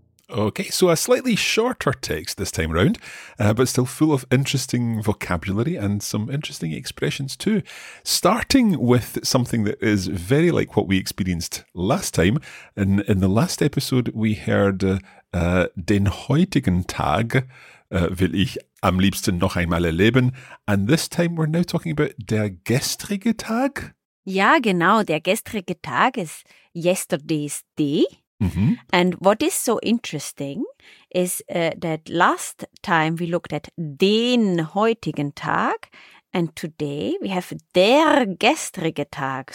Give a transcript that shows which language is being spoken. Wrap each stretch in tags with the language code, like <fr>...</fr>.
<en>Okay, so a slightly shorter text this time around, but still full of interesting vocabulary and some interesting expressions too. Starting with something that is very like what we experienced last time. In the last episode, we heard</en> <de>den heutigen Tag will ich am liebsten noch einmal erleben.</de> <en>And this time we're now talking about</en> <de>der gestrige Tag. Ja, genau. Der gestrige Tag ist</de> <en>yesterday's day. And what is so interesting is that last time we looked at</en> <de>den heutigen Tag,</de> <en>and today we have</en> <de>der gestrige Tag.</de>